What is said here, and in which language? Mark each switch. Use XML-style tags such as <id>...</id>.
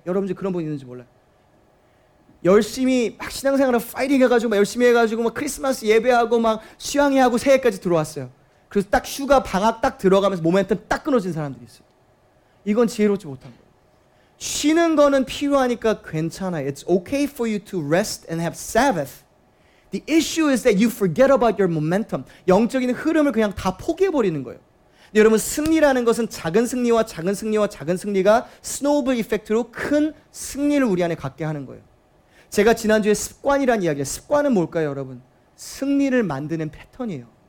<ko>여러분 중에 그런 분 있는지 몰라요. 열심히 막 신앙생활을 파이팅 해가지고 막 열심히 해가지고 막 크리스마스 예배하고 막 수양회하고 새해까지 들어왔어요. 그래서 딱 휴가 방학 딱 들어가면서 모멘텀 딱 끊어진 사람들이 있어요. 이건 지혜롭지 못한 거예요. 쉬는 거는 필요하니까 괜찮아요.</ko> <en>It's okay for you to rest and have Sabbath. The issue is that you forget about your momentum.</en> <ko>영적인 흐름을 그냥 다 포기해버리는 거예요. 여러분, 승리라는 것은 작은 승리와 작은 승리와 작은 승리가 스노우볼 이펙트로 큰 승리를 우리 안에 갖게 하는 거예요. 제가 지난주에 습관이라는 이야기를, 습관은 뭘까요, 여러분? 승리를 만드는 패턴이에요.</ko>